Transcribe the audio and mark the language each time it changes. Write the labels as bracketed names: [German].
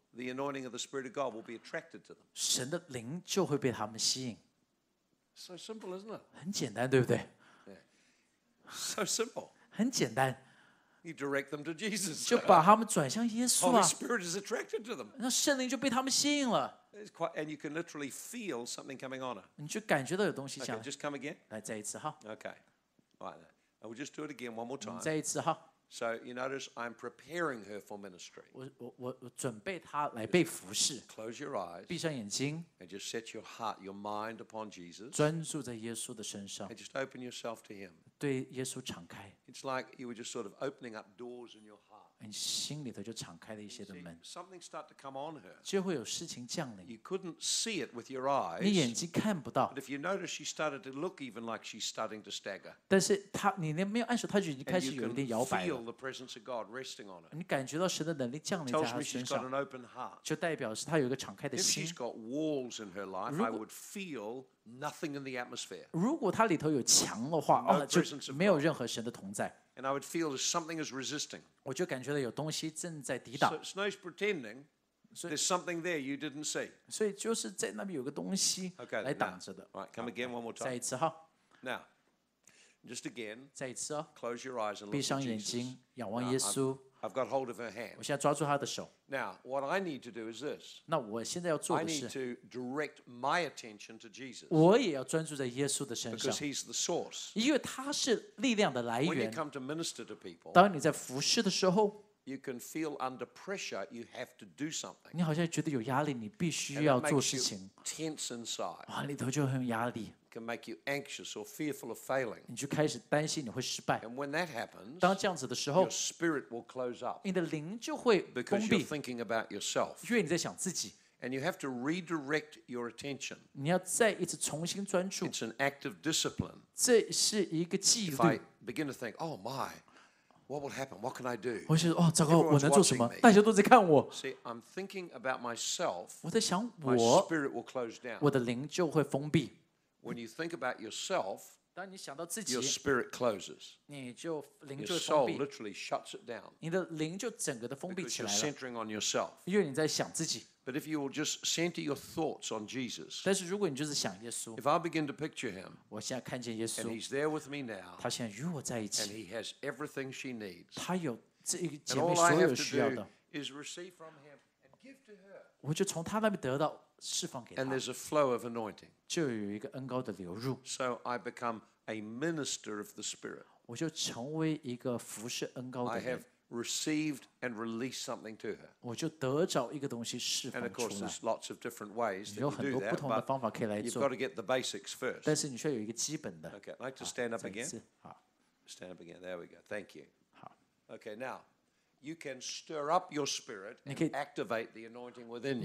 [English] the anointing of the Spirit of God will be attracted to them. [Chinese] 神的灵就会被他们吸引。 [English] So simple, isn't it? [Chinese] 很简单，对不对？ [English] So simple. [Chinese] 很简单。 [English] You direct them to Jesus. [Chinese] 就把他们转向耶稣啊。 [English] Holy Spirit is attracted to them. [Chinese] 那圣灵就被他们吸引了。 [English] It's quite, and you can literally feel something coming on her. [Chinese] 你就感觉到有东西讲。 [English] Okay, just come again. [Chinese] 来再一次哈。 [English] Okay, right. And we'll just do it again one more time. [Chinese] 再一次哈。 [English] So you notice I'm preparing her for ministry. [Chinese] 我准备她来被服事。 [English] Close your eyes. [Chinese] 闭上眼睛。 [English] And just set your heart, your mind upon Jesus. [Chinese] 专注在耶稣的身上。 [English] And just open yourself to Him. [Chinese] 对耶稣敞开。 [English] It's like you were just sort of opening up doors in your heart. [Chinese] 你心里头就敞开了一些的门。 [English] Something start to come on her. [Chinese] 就会有事情降临。 [English] You couldn't see it with your eyes. [Chinese] 你眼睛看不到。 [English] But if you notice, she started to look even like she's starting to stagger. [Chinese] 但是她，你那没有按手，她就已经开始有点摇摆了。 [English] And you can feel the presence of God resting on her. [Chinese] 你感觉到神的能力降临在她身上。 [English] Tells me she's got an open heart. [Chinese] 就代表是她有一个敞开的心。 [English] If she's got walls in her life, I would feel nothing in the atmosphere. [Chinese] 如果她里头有墙的话，哦，就没有任何神的同在。 [English] And I would feel that something is resisting. [Chinese] 我就感觉到有东西正在抵挡。 [English] So it's nice pretending there's something there you didn't see. [Chinese] 所以就是在那边有个东西来挡着的。 [English] Right, come again one more time. [Chinese] 再一次哈。 [English] Now, just again. [Chinese] 再一次哦。 [English] Close your eyes and look. [Chinese] 闭上眼睛，仰望耶稣。 [English] I've got hold of her hand. [Chinese] 我现在抓住她的手。 [English] Now, what I need to do is this. [Chinese] 那我现在要做的是。 [English] I need to direct my attention to Jesus. [Chinese] 我也要专注在耶稣的身上。 [English] Because he's the source. [Chinese] 因为他是力量的来源。 [English] When you come to minister to people. [Chinese] 当你在服事的时候。 [English] You can feel under pressure. You have to do something. [Chinese] 你好像觉得有压力，你必须要做事情。 [English] And it makes you tense inside. [Chinese] 哇，里头就很压力。 [English] Can make you anxious or fearful of failing. [Chinese] 你就开始担心你会失败。 [English] And when that happens, [Chinese] 当这样子的时候 [English] your spirit will close up. [Chinese] 你的灵就会封闭。 [English] Because you're thinking about yourself. [Chinese] 因为你在想自己。 [English] And you have to redirect your attention. [Chinese] 你要再一次重新专注。 [English] It's an act of discipline. [Chinese] 这是一个纪律。 [English] If I begin to think, oh my, what will happen? What can I do? [Chinese] 我想说，哦，糟糕，我能做什么？大家都在看我。 [English] See, I'm thinking about myself. [Chinese] 我在想我。 [English] My spirit will close down. [Chinese] 我的灵就会封闭。 [English] When you think about yourself, [Chinese] 当你想到自己 [English] your spirit closes. [Chinese] 你就灵就封闭。 [English] Your soul literally shuts it down. [Chinese] 你的灵就整个的封闭起来了。 [English] Because you're centering on yourself. [Chinese] 因为你在想自己。 [English] But if you will just center your thoughts on Jesus. [Chinese] 但是如果你就是想耶稣。 [English] If I begin to picture him. [Chinese] 我现在看见耶稣。 [English] And he's there with me now. [Chinese] 他现在与我在一起。 [English] And he has everything she needs. [Chinese] 他有这一个姐妹所有需要的。 [English] And all I have to do is receive from him and give to her. [Chinese] 我就从他那边得到。释放给他 [English] and there's a flow of anointing. [Chinese] 就有一个恩膏的流入 [English] So I become a minister of the Spirit. [Chinese] 我就成为一个服事恩膏的人 [English] I have received and released something to her. And of course, there's lots of different ways that you do that, but you've got to get the basics first. Okay, I'd like to stand up again. Stand up again. There we go. Thank you. Okay, now. You can stir up your spirit and activate the anointing within you.